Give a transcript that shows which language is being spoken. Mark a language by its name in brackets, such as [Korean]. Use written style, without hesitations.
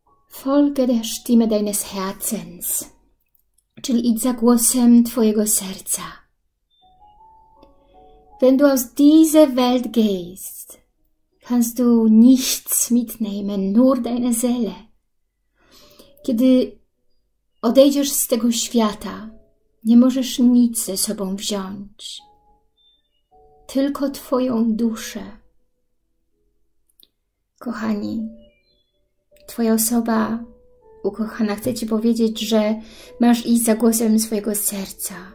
[German] Folge der Stimme deines Herzens. [Polish] Czyli idź za głosem Twojego serca. [German] Wenn du aus dieser Welt gehst, kannst du nichts mitnehmen, nur deine Seele. [Polish] Kiedy odejdziesz z tego świata, nie możesz nic ze sobą wziąć. Tylko Twoją duszę. Kochani, Twoja osoba ukochana chce Ci powiedzieć, że masz iść za głosem swojego serca.